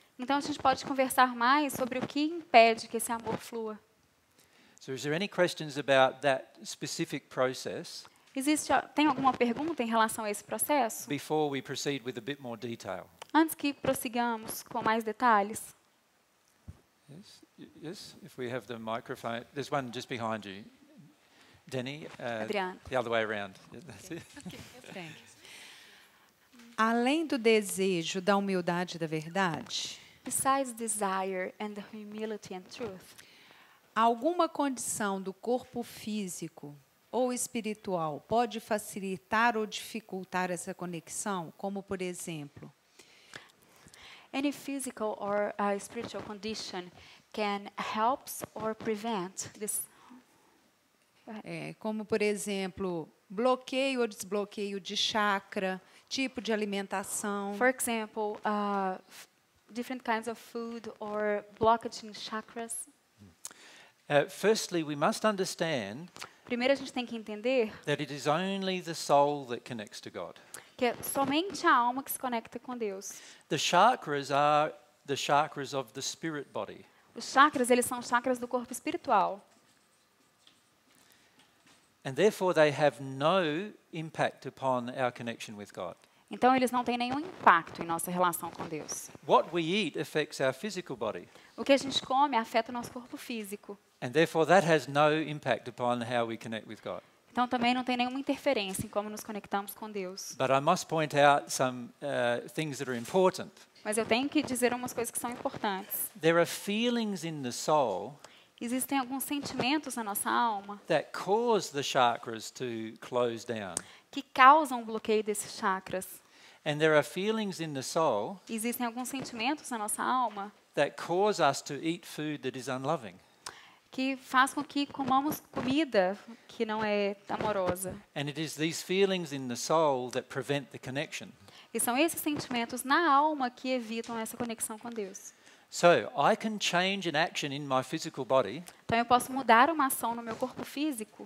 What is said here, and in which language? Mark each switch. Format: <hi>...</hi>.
<pt>Então a gente pode conversar mais sobre o que impede que esse amor flua.</pt> <en>So is there any questions about that specific process?</en> <pt>Existe, tem alguma pergunta em relação a esse processo?</pt> <en>Before we proceed with a bit more detail.</en> <pt>Antes que prossigamos com mais detalhes.</pt> <en>Yes, yes. If we have the microphone, there's one just behind you, Denny. Adriana. The other way around. Okay. Thank you.</en> <pt>Além do desejo da humildade e da verdade,</pt> <en>besides desire and the humility and truth,</en> <pt>alguma condição do corpo físico ou espiritual pode facilitar ou dificultar essa conexão, como por exemplo,</pt> <en>any physical or spiritual condition can help or prevent this.</en> <pt>Como por exemplo, bloqueio ou desbloqueio de chakra, tipo de alimentação.</pt> <en>For example, different kinds of food or blockage in chakras. Firstly, we must understand.</en> <pt>Primeiro a gente tem que entender.</pt> <en>That it is only the soul that connects to God.</en> <pt>Que é somente a alma que se conecta com Deus.</pt> <en>The chakras are the chakras of the spirit body.</en> <pt>Os chakras, eles são chakras do corpo espiritual.</pt> <en>And therefore they have no impact upon our connection with God.</en> <pt>Então eles não têm nenhum impacto em nossa relação com Deus.</pt> <en>What we eat affects our physical body.</en> <pt>O que a gente come afeta o nosso corpo físico.</pt> <en>And therefore that has no impact upon how we connect with God.</en> <pt>Então também não tem nenhuma interferência em como nos conectamos com Deus.</pt> <en>But I must point out some things that are important.</en> <pt>Mas eu tenho que dizer umas coisas que são importantes.</pt> <en>There are feelings in the soul.</en> <pt>Existem alguns sentimentos na nossa alma</pt> <en>that cause the chakras to close down.</en> <pt>Que causam o bloqueio desses chakras.</pt> <en>And there are feelings in the soul.</en> <pt>Existem alguns sentimentos na nossa alma</pt> <en>that cause us to eat food that is unloving.</en> <pt>Que faz com que comamos comida que não é amorosa.</pt> <en>And it is these feelings in the soul that prevent the connection.</en> <pt>E são esses sentimentos na alma que evitam essa conexão com Deus.</pt> <en>So, I can change an action in my physical body.</en> <pt>Então eu posso mudar uma ação no meu corpo físico.</pt>